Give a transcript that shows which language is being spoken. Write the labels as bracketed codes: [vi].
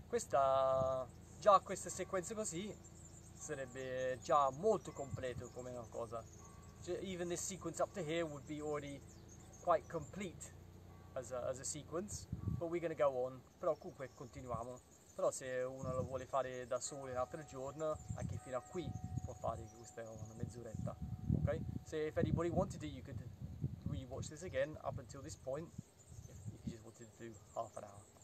[it] Già questa sequenza così sarebbe già molto completo come una cosa. [en] Even this sequence up to here would be already quite complete as a sequence. But we're gonna go on. [it] Però comunque continuiamo. Però se uno lo vuole fare da solo un altro giorno, anche fino a qui può fare, questa è una mezz'oretta. Ok? [en] Se if anybody wanted to, you could rewatch this again up until this point, if you just wanted to do half an hour.